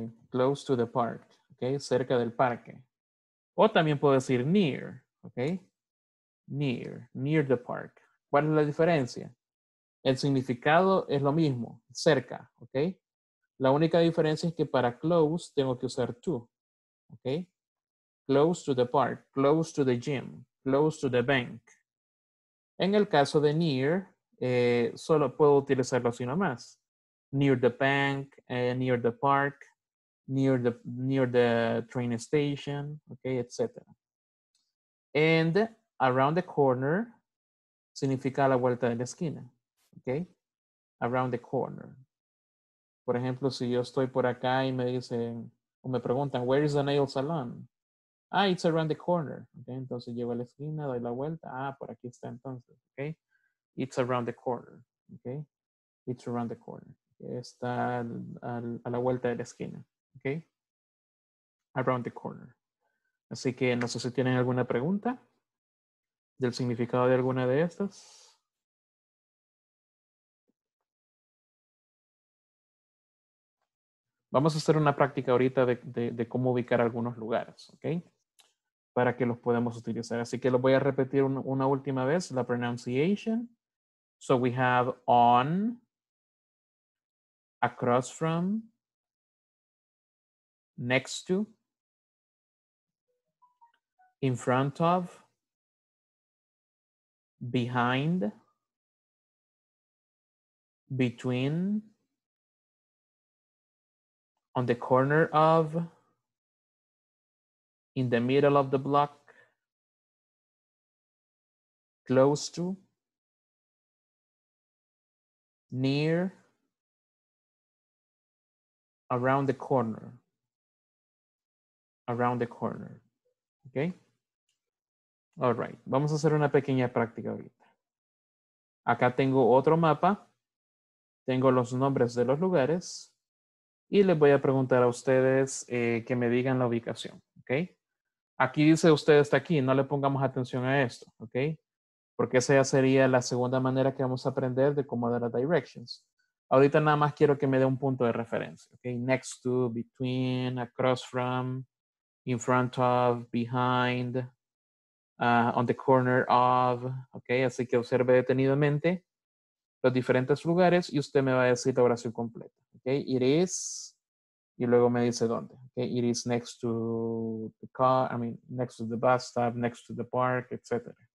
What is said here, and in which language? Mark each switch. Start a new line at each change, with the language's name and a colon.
English: Close to the park, okay,
Spanish: cerca del parque. O también puedo decir
English: near, okay, near, near the park.
Spanish: ¿Cuál es la diferencia? El significado es lo mismo, cerca, okay. La única diferencia es que para close tengo que usar to, okay.
English: Close to the park, close to the gym, close to the bank.
Spanish: En el caso de near, solo puedo utilizarlo así nomás.
English: Near the bank, near the park, near the train station, okay, etc. And around the corner
Spanish: significa la vuelta de la esquina,
English: okay? Around the corner.
Spanish: Por ejemplo, si yo estoy por acá y me dicen, o me preguntan,
English: where is the nail salon? Ah, it's around the corner.
Spanish: Okay, entonces llego a la esquina, doy la vuelta. Ah, por aquí está entonces,
English: okay? It's around the corner, okay? It's around the corner.
Spanish: Está a la vuelta de la esquina, okay?
English: Around the corner.
Spanish: Así que no sé si tienen alguna pregunta del significado de alguna de estas. Vamos a hacer una práctica ahorita de cómo ubicar algunos lugares, okay? Para que los podamos utilizar. Así que los voy a repetir una última vez, la pronunciation.
English: So we have on, across from, next to, in front of, behind, between, on the corner of, in the middle of the block, close to, near, around the corner, around the corner, okay? All right,
Spanish: vamos a hacer una pequeña práctica ahorita. Acá tengo otro mapa, tengo los nombres de los lugares y les voy a preguntar a ustedes que me digan la ubicación, okay? Aquí dice usted está aquí, no le pongamos atención a esto, okay? Porque esa ya sería la segunda manera que vamos a aprender de cómo dar las directions. Ahorita nada más quiero que me dé un punto de referencia, okay?
English: Next to, between, across from, in front of, behind, on the corner of, okay?
Spanish: Así que observe detenidamente los diferentes lugares y usted me va a decir la oración completa, okay?
English: It is,
Spanish: y luego me dice dónde, okay?
English: It is next to the car, I mean, next to the bus stop, next to the park, etc.